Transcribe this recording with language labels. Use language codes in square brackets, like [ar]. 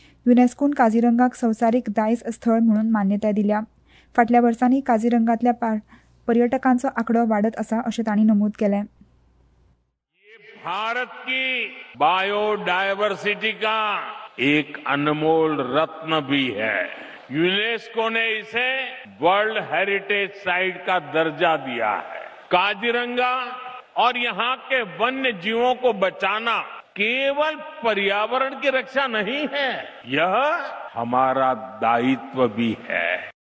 [gom] युनेस्कोन काझिरंगाक संवसारीक दायज स्थळ म्हणून मान्यताय दिल्या. फाटल्या वर्सांनी काझिरंगातल्या पर्यटकांचो आंकडो वाडत आसा अशें तांणी नमूद केलें. [hi] भारत की बायोडायवर्सिटी का एक अनमोल रत्न भी है. यूनेस्को ने इसे वर्ल्ड हेरिटेज साइट का दर्जा दिया है. काजीरंगा और यहां के वन्य जीवों को बचाना केवल पर्यावरण की रक्षा नहीं है, यह हमारा दायित्व भी है.